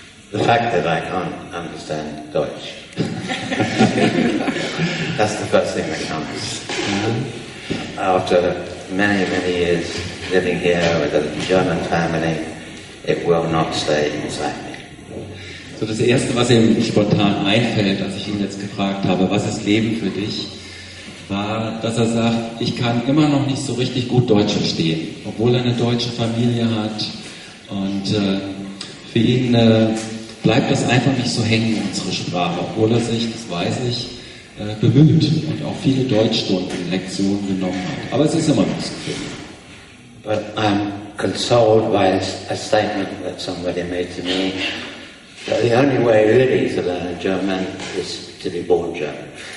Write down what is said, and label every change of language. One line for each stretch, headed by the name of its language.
English: The fact that I can't understand Deutsch. That's the first thing that comes. After many, many years living here with a German family, it will not stay inside me.
German: So das Erste, was ihm spontan einfällt, als ich ihn jetzt gefragt habe, was ist Leben für dich, war, dass er sagt, ich kann immer noch nicht so richtig gut Deutsch verstehen, obwohl er eine deutsche Familie hat. Und für ihn bleibt das einfach nicht so hängen, unsere Sprache, obwohl er sich, das weiß ich, bemüht und auch viele Deutschstunden, Lektionen genommen hat. Aber es ist immer noch so viel.
English: But I'm consoled by a statement that somebody made to me, that the only way really to learn German is to be born German.